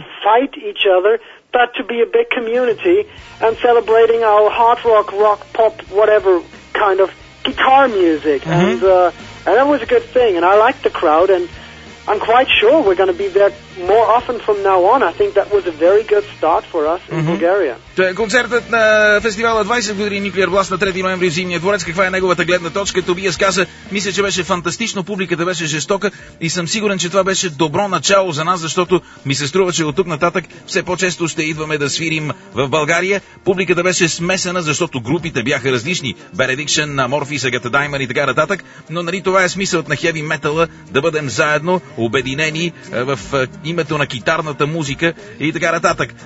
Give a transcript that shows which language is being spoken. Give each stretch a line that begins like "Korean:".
English: to fight each other, but to be a big community and celebrating our hard rock, pop, whatever kind of guitar music. Mm-hmm. And that was a good thing, and I liked the crowd, and I'm quite sure we're going to be there more often from now on. I think that was a very good start for us in mm-hmm. Bulgaria.
Bulgarian: Концертът на фестивала 20 години Nuclear Blast на 3 ноември в Зимния дворец. Каква е неговата гледна точка? Тобиас каза, мисля, че беше фантастично, публиката беше жестока и съм сигурен, че това беше добро начало за нас, защото ми се струва, че от тук нататък все по-често ще идваме да свирим в България. Публиката беше смесена, защото групите бяха различни. Benediction, Amorphis, Agatha Diamond и така нататък. Но нали това е смисълът на хеви метала, да бъдем заедно, обединени в името на китарната музика и така нататък.